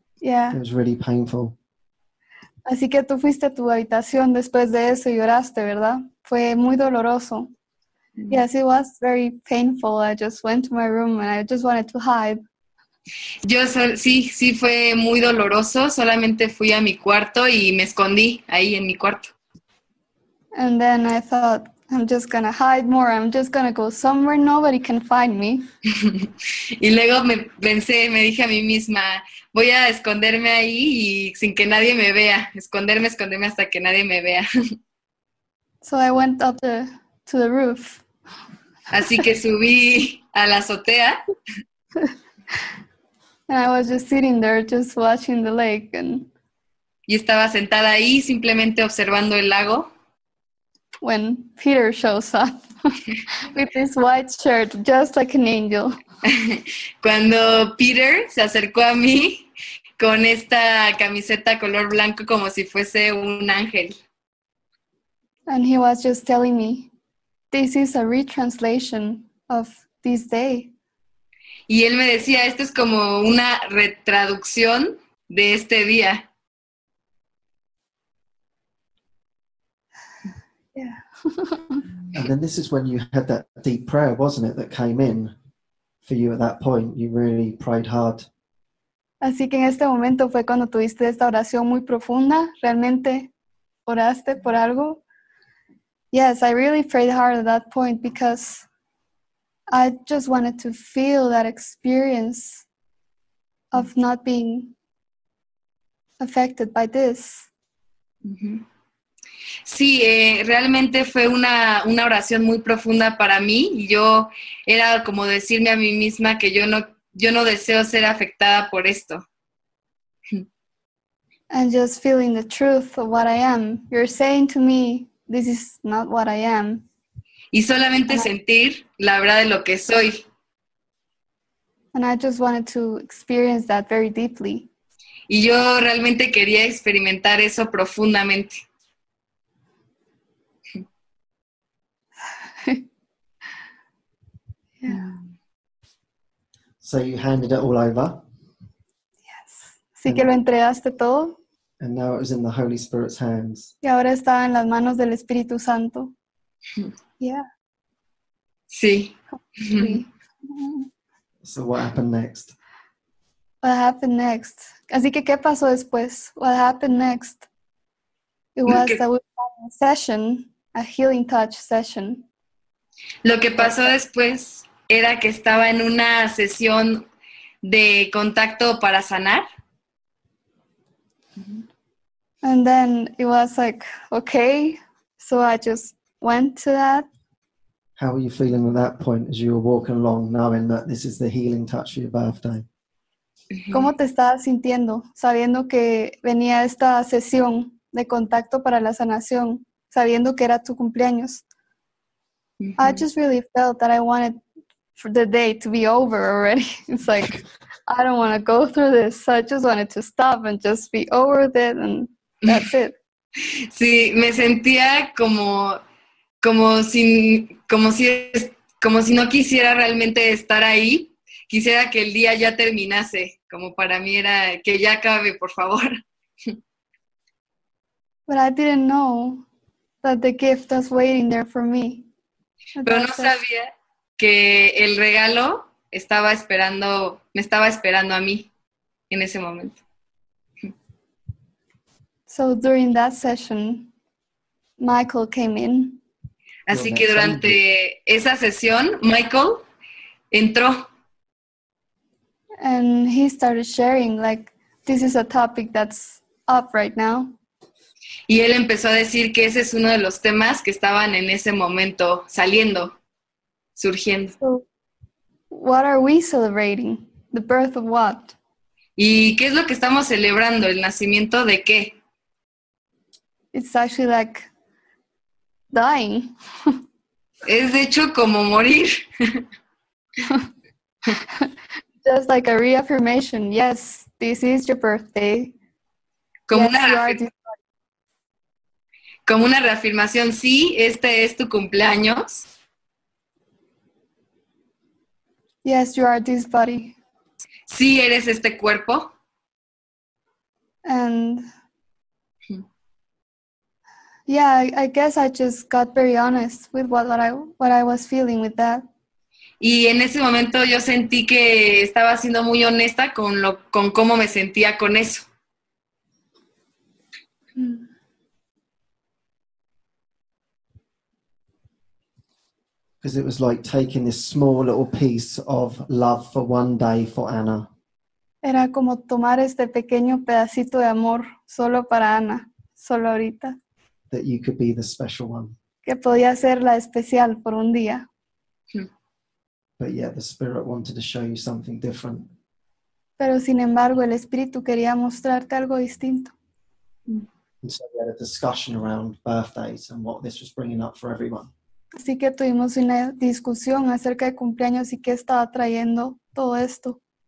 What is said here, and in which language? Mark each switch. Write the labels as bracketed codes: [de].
[en] Yeah. It was really painful. [es] Así que tú fuiste a tu habitación después de eso y lloraste, ¿verdad? Fue muy doloroso. [en] Mm-hmm. Yes, it was very painful. I just went to my room and I just wanted to hide. [es] Yo sí fue muy doloroso. Solamente fui a mi cuarto y me escondí ahí en mi cuarto. [en] And then I thought, I'm just gonna hide more. I'm just gonna go somewhere nobody can find me. [es] Y luego me dije a mí misma, voy a esconderme ahí y sin que nadie me vea. Esconderme hasta que nadie me vea. [en] So I went up to the roof. [es] Así que subí a la azotea. [en] And I was just sitting there, just watching the lake. [es] Y estaba sentada ahí, simplemente observando el lago. [en] When Peter shows up with his white shirt, just like an angel. [es] Cuando Peter se acercó a mí con esta camiseta color blanco como si fuese un ángel. [en] And he was just telling me, this is a retranslation of this day. [es] Y él me decía, esto es como una retraducción de este día. [en] Yeah. And then this is when you had that deep prayer, wasn't it, that came in for you at that point. You really prayed hard. [es] Así que en este momento fue cuando tuviste esta oración muy profunda. Realmente oraste por algo. [en] Yes, I really prayed hard at that point because I just wanted to feel that experience of not being affected by this. Mm-hmm. [es] Sí, realmente fue una oración muy profunda para mí. Yo era como decirme a mí misma que yo no deseo ser afectada por esto. [en] And just feeling the truth of what I am. You're saying to me, this is not what I am. [es] Y solamente sentir la verdad de lo que soy. [en] And I just wanted to experience that very deeply. [es] Y yo realmente quería experimentar eso profundamente. [en] Yeah. So you handed it all over. Yes. [es] Así que lo entregaste todo. [en] And now it was in the Holy Spirit's hands. [es] Y ahora está en las manos del Espíritu Santo. [en] Yeah. [es] Sí. [en] So what happened next? What happened next? [es] Así que ¿qué pasó después? [en] What happened next? It was a session, a healing touch session. [es] Lo que pasó después era que estaba en una sesión de contacto para sanar. [en] And then it was like, okay, so I just went to that. How were you feeling at that point as you were walking along, knowing that this is the healing touch you're about to? [es] ¿Cómo te estabas sintiendo, sabiendo que venía esta sesión de contacto para la sanación, sabiendo que era tu cumpleaños? Mm-hmm. [en] I just really felt that I wanted for the day to be over already. It's like, I don't want to go through this. So I just wanted to stop and just be over with it and that's it. [es] Sí, me sentía como si no quisiera realmente estar ahí. Quisiera que el día ya terminase. Como para mí era que ya acabe, por favor. [en] But I didn't know that the gift was waiting there for me. [es] Pero no sabía que el regalo me estaba esperando a mí en ese momento. [en] So during that session, Michael came in. [es] Así que durante esa sesión, Michael entró. [en] And he started sharing, like, this is a topic that's up right now. [es] Y él empezó a decir que ese es uno de los temas que estaban en ese momento saliendo, surgiendo. [en] So, what are we celebrating? The birth of what? [es] ¿Y qué es lo que estamos celebrando? ¿El nacimiento de qué? [en] It's actually like dying. [es] Es de hecho como morir. [en] Just like a reaffirmation. Yes, this is your birthday. [es] Como, [en] yes, [es] como una reafirmación. Sí, este es tu cumpleaños. [en] Yes, you are this body. [es] Sí, eres este cuerpo. [en] And yeah, I guess I just got very honest with what I was feeling with that. [es] Y en ese momento yo sentí que estaba siendo muy honesta con lo con cómo me sentía con eso. [en] Because it was like taking this small little piece of love for one day for Anna. [es] Era como tomar este pequeño pedacito de amor solo para Anna, solo ahorita. [en] That you could be the special one. [es] Que podía ser la especial por un día. [en] But yeah, the spirit wanted to show you something different. [es] Pero sin embargo, el espíritu quería mostrarte algo distinto. [en] And so we had a discussion around birthdays and what this was bringing up for everyone. [es] Así que tuvimos una discusión acerca de cumpleaños y qué estaba trayendo todo esto.